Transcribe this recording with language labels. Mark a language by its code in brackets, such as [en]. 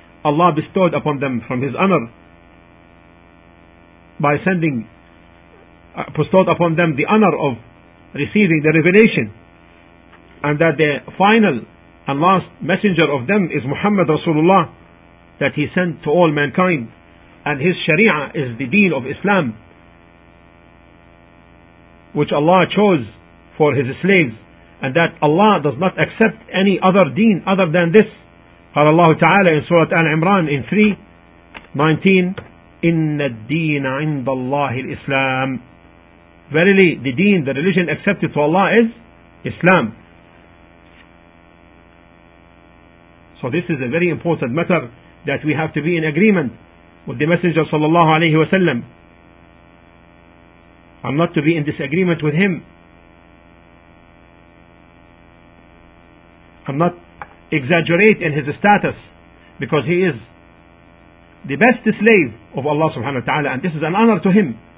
[en] Allah bestowed upon them from his honor by sending, bestowed upon them the honor of receiving the revelation, and that the final and last messenger of them is Muhammad Rasulullah, that he sent to all mankind, and his Sharia is the deen of Islam, which Allah chose for his slaves, and that Allah does not accept any other deen other than this. [ar] قال الله تعالى [en] in Surah Al-Imran in 3:19, [ar] إِنَّ الدِّينَ عِنْدَ اللَّهِ الْإِسْلَامِ. [en] Verily, the deen, the religion accepted to Allah is Islam. So this is a very important matter, that we have to be in agreement with the Messenger صلى الله عليه وسلم, I'm not to be in disagreement with him, I'm not exaggerate in his status, because he is the best slave of Allah subhanahu wa ta'ala, and this is an honor to him.